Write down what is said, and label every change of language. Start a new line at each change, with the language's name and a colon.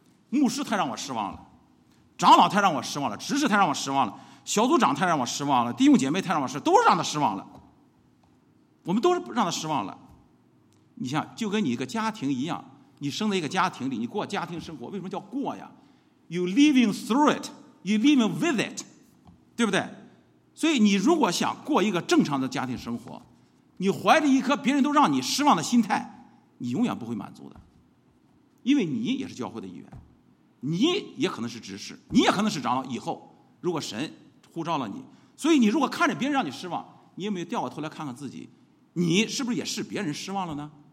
Chinese: 牧师太让我失望了，长老太让我失望了，执事太让我失望了，小组长太让我失望了，弟兄姐妹太让我失望了，都让他失望了，我们都是让他失望了。你想就跟你一个家庭一样，你生在一个家庭里，你过家庭生活，为什么叫过呀？
English: You living through it, you living with it,
Chinese: 对不对？所以你如果想过一个正常的家庭生活，你怀着一颗别人都让你失望的心态，你永远不会满足的，因为你也是教会的一员，你也可能是执事，你也可能是长老，以后如果神呼召了你，所以你如果看着别人让你失望，你有没有掉过头来看看自己，你是不是也是别人失望了呢？